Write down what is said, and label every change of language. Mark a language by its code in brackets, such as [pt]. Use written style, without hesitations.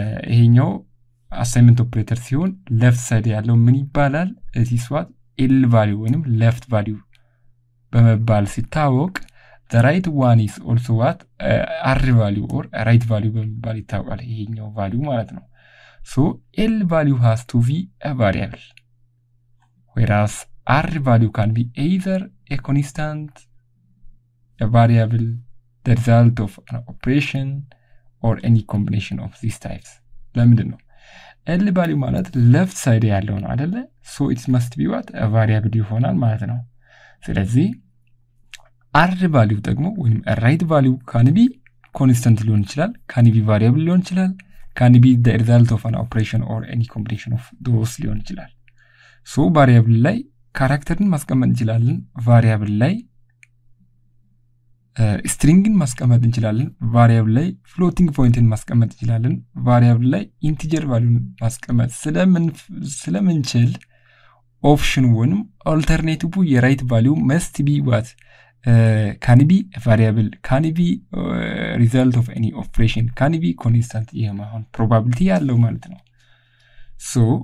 [am] ይሄኛው [en] assignment operator [am] ሲሆን [en] left side [am] ያለው ምን ይባላል [en] this what l value [am] ወይንም [en] left value [am] በመባል ሲታወቅ [en] the right one is also what r value or right value [am] በመባል ይታወቃል ይሄኛው [en] value [am] ማለት ነው [en] so l value has to be a variable whereas r value can be either a constant a variable the result of an operation or any combination of these types. [am] ለምንድን ነው? L value ማለት [en] left side [am] ያለው ነው አይደለ? [en] So it must be what a variable [am] ይሆናል ማለት ነው። ስለዚህ [en] R value [am] ደግሞ ወይንም [en] right value can be constant [am] ሊሆን ይችላል, [en] can be variable ሊሆን ይችላል, can be the result of an operation or any combination of those ሊሆን ይችላል. [am] So variable ላይ ካራክተርን ማስቀመጥ እንችላለን, variable ላይ ስትሪንግን ማስቀመጥ እንችላለን ቫሪያብል ላይ ፍሎቲንግ ፖይንትን ማስቀመጥ እንችላለን ቫሪያብል ላይ ኢንቲጀር ቫልዩን ማስቀመጥ ስለምንችል ኦፕሽን 1 አልተርኔቲቭ የራይት ቫልዩ [en] መስት ቢ ዋት ካን ቢ ቫሪያብል ካን ቢ ሪዛልት ኦፍ ኤኒ ኦፕሬሽን ካን ቢ ኮንስታንት [am] የማሆን ፕሮባቢሊቲ ያለው ማለት ነው ሶ